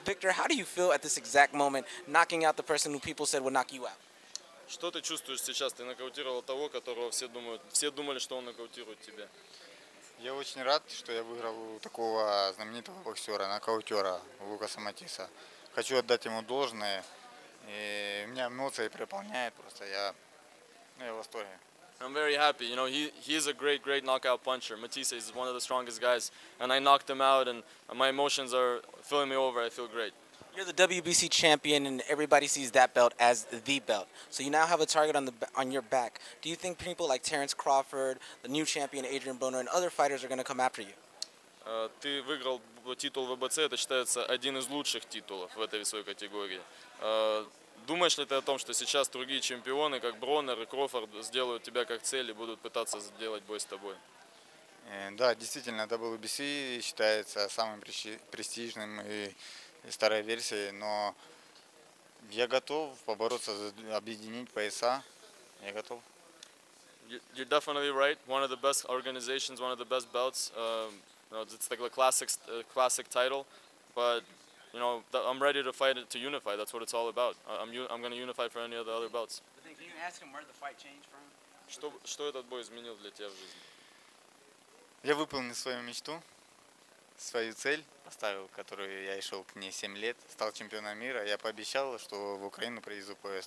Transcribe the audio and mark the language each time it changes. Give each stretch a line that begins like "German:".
English: Victor, how do you feel at this exact moment, knocking out the person who people said would knock you out?
Russian: Что ты чувствуешь сейчас? Ты нокаутировал того, которого все думали, что он нокаутирует тебя. Я очень рад, что я выиграл у такого знаменитого боксера, нокаутера Лукаса Матисса. Хочу отдать ему должное. И меня эмоции переполняют просто. Я в восторге.
English: I'm very happy. You know, he's a great, great knockout puncher. Matisse is one of the strongest guys, and I knocked him out, and my emotions are filling me over. I feel great. You're the WBC champion, and everybody sees that belt as the belt. So you now have a target on your back. Do you think people like Terence Crawford, the new champion Adrian Broner, and other fighters are going to come after you?
Russian: Ты выиграл титул ВБЦ. Это считается один из лучших титулов в этой своей категории. Думаешь ли ты о том, что сейчас другие чемпионы, как Бронер и Крофорд, сделают тебя как цель и будут пытаться сделать бой с тобой? Да, действительно, WBC считается самым престижным и старой версией, но я готов побороться, объединить пояса. Я готов.
English: You're definitely right. One of the best organizations, one of the best belts. It's like a classic title, but... You know, I'm ready to fight it, to unify. That's what it's all about. I'm going to unify for any of the other belts. Can you ask him where the fight changed from?
Russian: Что этот бой изменил для тебя в жизни? Я выполнил свою мечту, свою цель поставил, которую я и шел к ней 7 лет, стал чемпионом мира. Я пообещал, что в Украину приезжу пояс.